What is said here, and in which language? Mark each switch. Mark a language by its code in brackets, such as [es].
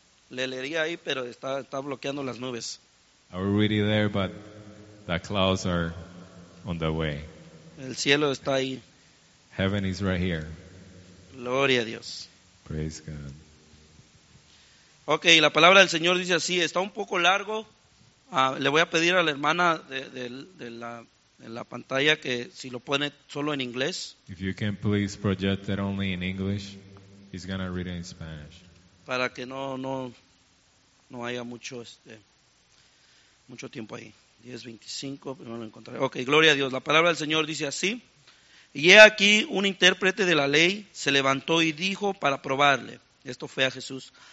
[es] Le leería ahí, pero está bloqueando las nubes. [en] I'm already there, but the clouds are on the way. [es] El cielo está ahí. [en] Heaven is right here. [es] Gloria a Dios. [en] Praise God. [es] Okay, la palabra del Señor dice así, está un poco largo. Le voy a pedir a la hermana de la pantalla que si lo pone solo en inglés. [en] If you can please project it only in English, he's gonna read it in Spanish. [es] Para que no haya mucho tiempo ahí. 10:25, primero lo encontraré. Okay, gloria a Dios. La palabra del Señor dice así. Y he aquí un intérprete de la ley se levantó y dijo para probarle. Esto fue a Jesús.